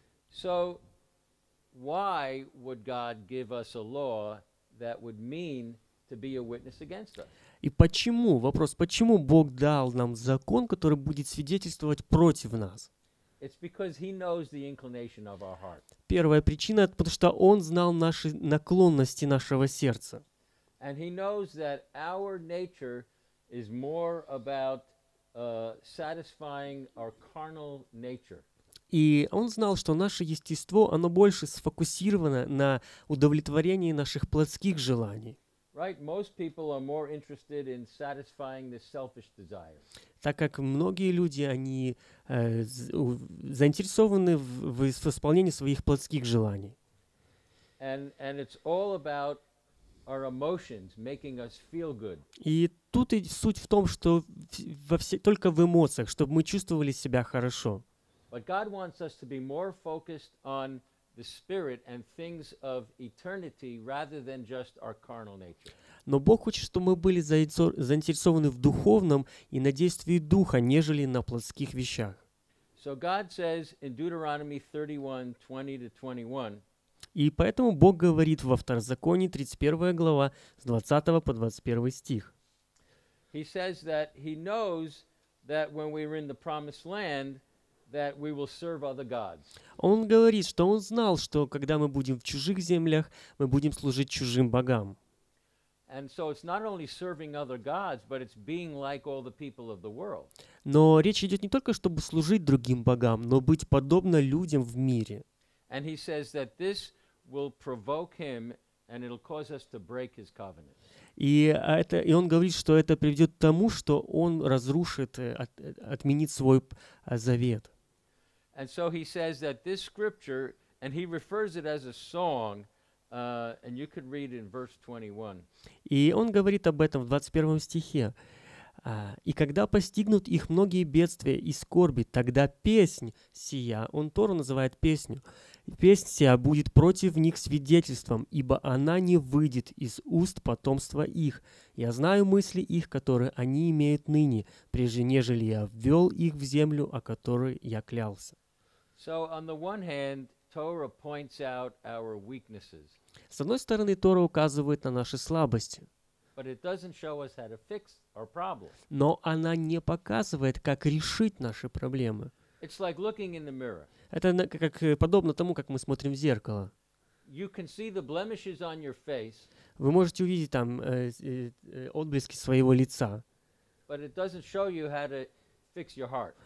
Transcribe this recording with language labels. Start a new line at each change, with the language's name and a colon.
English: So, why would God give us a law that would mean to be a witness against us?
Russian: И почему, вопрос, почему Бог дал нам закон, который будет свидетельствовать против нас?
English: It's because he knows the inclination of our heart.
Russian: Первая причина, это потому что он знал наши наклонности нашего сердца.
English: And he knows that our nature is more about satisfying our carnal nature.
Russian: И он знал, что наше естество, оно больше сфокусировано на удовлетворении наших плотских желаний.
English: Right, most people are more interested in satisfying the selfish desire.
Russian: Так как многие люди, они заинтересованы в исполнении своих плотских желаний.
English: And it's all about our emotions making us feel good.
Russian: И тут и суть в том, что только в эмоциях, чтобы мы чувствовали себя хорошо.
English: But God wants us to be more focused on the spirit and things of eternity rather than just our carnal nature.
Russian: Но Бог хочет, чтобы мы были заинтересованы в духовном и на действии духа, нежели на плотских вещах.
English: So God says in Deuteronomy 31:20-21.
Russian: И поэтому Бог говорит во Второзаконии 31 глава с 20 по 21 стих.
English: He says that he knows that when we are in the promised land, that we will serve other gods.
Russian: Он говорит, что он знал, что когда мы будем в чужих землях, мы будем служить чужим богам.
English: And so it's not only serving other gods, but it's being like all the people of the world.
Russian: Но речь идет не только, чтобы служить другим богам, но быть подобно людям в мире.
English: And he says that this will provoke him and it'll cause us to break his covenant.
Russian: И он говорит, что это приведет к тому, что он разрушит, отменит свой завет.
English: And so he says that this scripture, and he refers it as a song, and you could read in verse 21.
Russian: И он говорит об этом в 21 стихе. И когда постигнут их многие бедствия и скорби, тогда песнь сия, он Тору называет песню, песнь сия будет против них свидетельством, ибо она не выйдет из уст потомства их. Я знаю мысли их, которые они имеют ныне, прежде нежели я ввел их в землю, о которой я клялся.
English: So, on the one hand, Torah points out our weaknesses.
Russian: С одной стороны, Тора указывает на наши слабости.
English: But it doesn't show us how to fix our problems.
Russian: Но она не показывает, как решить наши проблемы.
English: It's like looking in the mirror.
Russian: Это как подобно тому, как мы смотрим в зеркало.
English: You can see the blemishes on your face.
Russian: Вы можете увидеть там отблески своего лица.
English: But it doesn't show you how to fix your heart.